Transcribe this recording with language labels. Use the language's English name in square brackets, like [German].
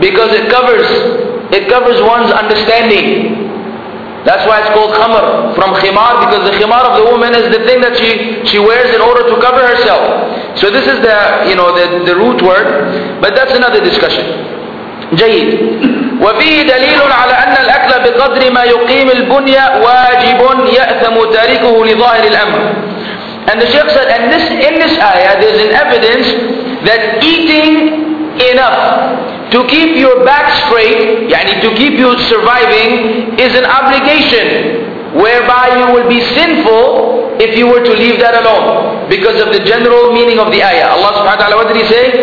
[English] Because it covers one's understanding. That's why it's called khamr from khimar, because the khimar of the woman is the thing that she wears in order to cover herself. So this is the root word, but that's another discussion. [Arabic] جيد. وفيه دليل على أن الأكل بقدر ما يقيم البنية واجب يأثم تاركه لظاهر الأمر. [English] And the Shaykh said, and in this ayah there is an evidence that eating enough to keep your back straight, يعني to keep you surviving, is an obligation whereby you will be sinful if you were to leave that alone because of the general meaning of the ayah. Allah subhanahu wa ta'ala, what did He say?